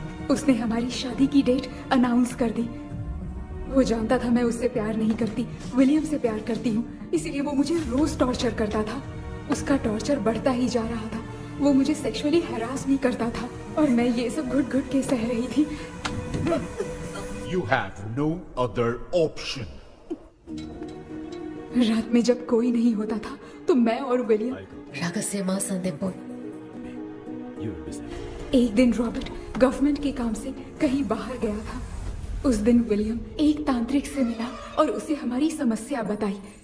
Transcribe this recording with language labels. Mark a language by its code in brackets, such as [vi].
[hi] उसने हमारी शादी की डेट अनाउंस कर दी। वो जानता था मैं उससे प्यार नहीं करती, विलियम से प्यार करती हूँ, इसीलिए वो मुझे रोज टॉर्चर करता था। उसका टॉर्चर बढ़ता ही जा रहा था। वो मुझे सेक्सुअली हैरास भी करता था और मैं ये सब घुट घुट के सह रही थी। [en] You have no other option. [hi] रात में जब कोई नहीं होता था तो मैं और विलियम रागस्यमा संदीप। एक दिन रॉबर्ट गवर्नमेंट के काम से कहीं बाहर गया था। उस दिन विलियम एक तांत्रिक से मिला और उसे हमारी समस्या बताई।